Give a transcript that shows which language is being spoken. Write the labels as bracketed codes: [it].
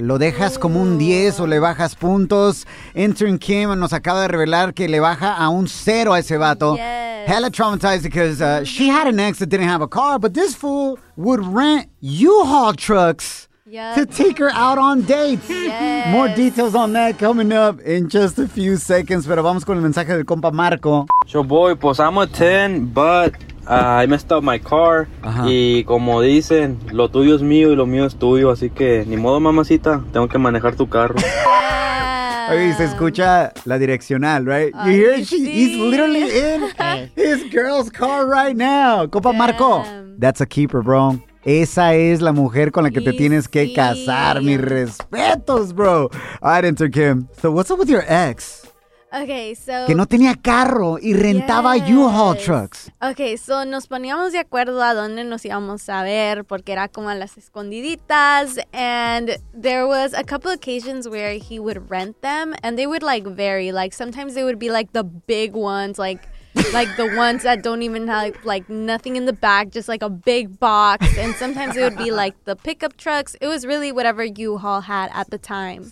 [es] Lo dejas como un 10 o le bajas puntos. Intern Kim nos acaba de revelar que le baja a un 0 a ese vato. [en] Yes. Hella traumatized because she had an ex that didn't have a car. But this fool would rent U-Haul trucks to take her out on dates. Yes. More details on that coming up in just a few seconds. [es] Pero vamos con el mensaje del compa Marco. Yo voy, pues [en] I'm a 10, but I messed up my car. Uh-huh. [es] Y como dicen, lo tuyo es mío y lo mío es tuyo. Así que ni modo, mamacita, tengo que manejar tu carro. Oye, se escucha la direccional, [en] right? You hear it? He's literally in his girl's car right now. [es] Compa Marco, [en] that's a keeper, bro. [es] Esa es la mujer con la que te tienes que casar. Mis respetos, [en] bro. All right, Enter Kim. So what's up with your ex? Okay, so... [es] Que no tenía carro y rentaba [en] U-Haul trucks. Okay, so [es] nos poníamos de acuerdo a dónde nos íbamos a ver, porque era como a las escondiditas. [en] And there was a couple occasions where he would rent them, and they would, like, vary. Like, sometimes they would be, like, the big ones, like... Like the ones that don't even have like nothing in the back, just like a big box. And sometimes it would be like the pickup trucks. It was really whatever U-Haul had at the time.